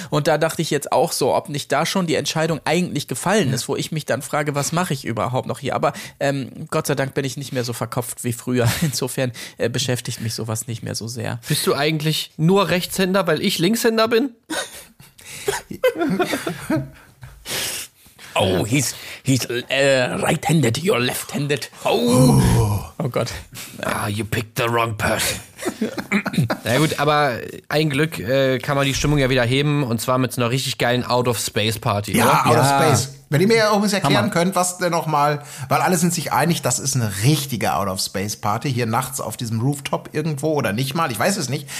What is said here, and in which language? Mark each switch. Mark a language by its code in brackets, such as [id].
[de] Und da dachte ich jetzt auch so, ob nicht da schon die Entscheidung eigentlich gefallen ist, wo ich mich dann frage, was mache ich überhaupt noch hier? Aber Gott sei Dank bin ich nicht mehr so verkopft wie früher. Insofern beschäftigt mich sowas nicht mehr so sehr. Bist du eigentlich nur Rechtshänder, weil ich Linkshänder bin? [en] Oh, he's right-handed, you're left-handed. Oh. [de] Oh Gott. [en] Ah, you picked the wrong person. [de] Na gut, aber ein Glück kann man die Stimmung ja wieder heben und zwar mit so einer richtig geilen Out-of-Space-Party. Ja, Out-of-Space. Wenn ihr mir ja irgendwas erklären könnt, was denn nochmal, weil alle sind sich einig, das ist eine richtige Out-of-Space-Party, hier nachts auf diesem Rooftop irgendwo oder nicht mal, ich weiß es nicht.